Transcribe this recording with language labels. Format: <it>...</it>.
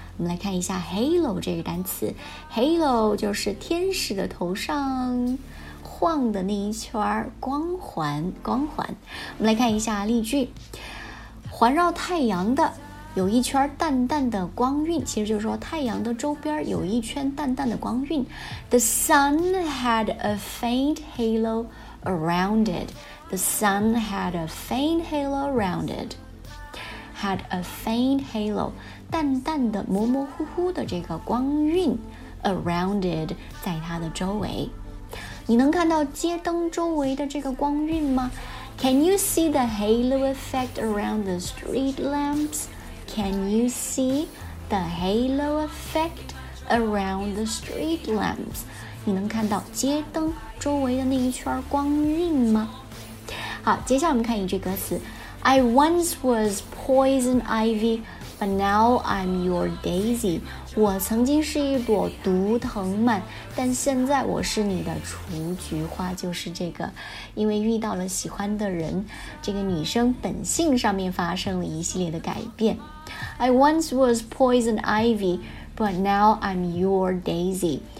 <zh>我们来看一下 halo 这个单词， halo 就是天使的头上晃的那一圈光环，光环。我们来看一下例句，环绕太阳的有一圈淡淡的光晕，其实就是说太阳的周边有一圈淡淡的光晕。</zh> <en>The sun had a faint halo around it. The sun had a faint halo around it. Had a faint halo，</en> <zh>淡淡的模模糊糊的这个光晕</zh> <en>around it，</en> <zh>在它的周围。你能看到街灯周围的这个光晕吗？</zh> <en>Can you see the halo effect around the street lampsCan you see the halo effect around the street lamps?</en> <zh>你能看到街灯周围的那一圈光晕吗？好，接下来我们看一句歌词。</zh> <en>I once was poison ivy, but now I'm your daisy.</en> <zh>我曾经是一朵毒藤蔓，但现在我是你的雏菊花。就是这个，因为遇到了喜欢的人，这个女生本性上面发生了一系列的改变。</zh> <en>I once was poison ivy, but now I'm your daisy.</en>